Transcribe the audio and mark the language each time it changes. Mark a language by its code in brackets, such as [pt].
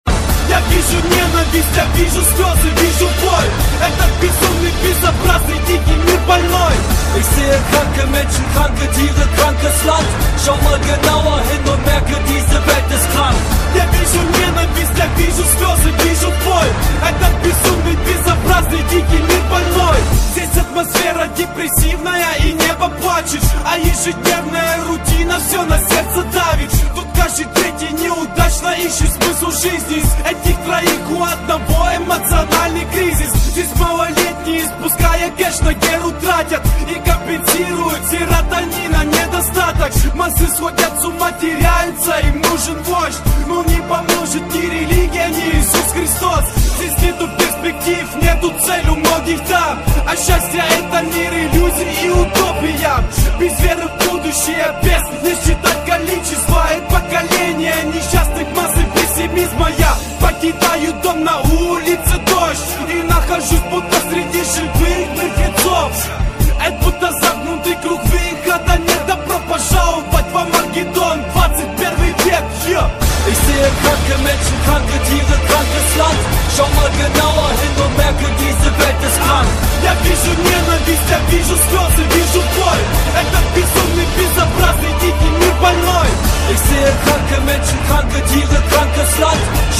[ru] Я вижу ненависть, я вижу слезы, вижу боль. Этот безумный, безобразный, дикий мир больной. [de] Ich sehe kranke Menschen, kranke Tiere, krankes Land. Schau mal genauer hin und merke, diese Welt ist krank. [ru] Я вижу ненависть, я вижу слезы, вижу боль. Этот безумный, безобразный, дикий мир больной. Здесь атмосфера депрессивная и небо плачет. А ежедневная рутина все на сердце давит. Тут каждый третий неудачно ищет смысл жизни. Из этих троих у одного эмоциональный кризис. Здесь малолетние, спуская кэш, на геру тратят и компенсируют серотонина недостаток. Массы сходят с ума, теряются, им нужен вождь. Но не поможет ни религия, ни Иисус Христос. Здесь нету перспектив, нету цель у многих там. А счастье — это мир иллюзий и утопия. Без веры в будущее, без не считать количество. И поколение несчастных массы пессимизма. Я покидаю дом, на улице дождь, и нахожусь будто среди живых мертвецов. Это будто загнутый круг, выхода нет. Добро пожаловать в Армагеддон, 21 век. [de] Ich sehe kranke Menschen, kranke Tiere, krankes Land. Schau mal genauer hin und merke, diese Welt ist krank. [ru] Я вижу ненависть, я вижу слезы, вижу боль. Этот безумный, безобразный, дикий мир больной. [de] Ich sehe kranke Menschen, kranke Tiere, krankes Land.